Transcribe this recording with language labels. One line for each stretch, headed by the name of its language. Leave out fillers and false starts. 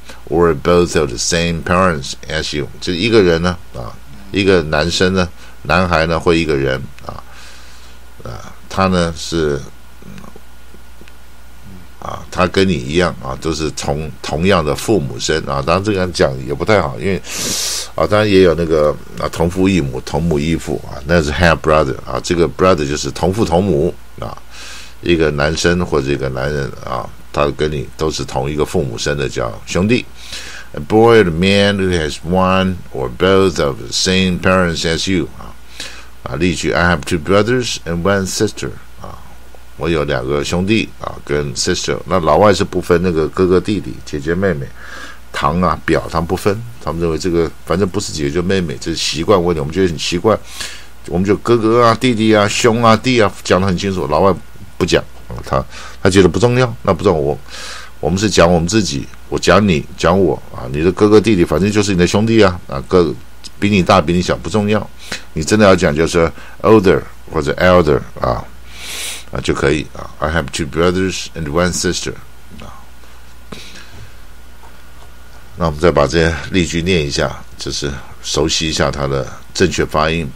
English: were both of the same parents as you.
Chinese: 就一个人呢，啊，一个男生呢，男孩呢，或一个人啊，啊，他呢是啊，他跟你一样啊，都是从同样的父母生啊。当然这个讲也不太好，因为啊，当然也有那个啊，同父异母，同母异父啊，那是 half brother 啊，这个 brother 就是同父同母啊。一个男生或者一个男人啊，他跟你都是同一个父母生的，叫兄弟。
English: A boy or a man who has one or both of the same parents as you
Chinese: 啊，啊，例句
English: I have two brothers and one sister
Chinese: 啊，我有两个兄弟啊，跟
English: sister。
Chinese: 那老外是不分那个哥哥弟弟、姐姐妹妹、堂啊、表，他们不分，他们认为这个反正不是姐姐就妹妹，这是习惯问题，我们觉得很奇怪，我们就哥哥啊、弟弟啊、兄啊、弟啊，讲得很清楚，老外。不讲，他觉得不重要，那不重要。我们是讲我们自己，我讲你，讲我啊，你的哥哥弟弟，反正就是你的兄弟啊，啊，哥比你大，比你小不重要。你真的要讲就是 older 或者 elder 啊就可以啊。
English: I have two brothers and one sister 啊。
Chinese: 那我们再把这些例句念一下，就是熟悉一下它的正确发音。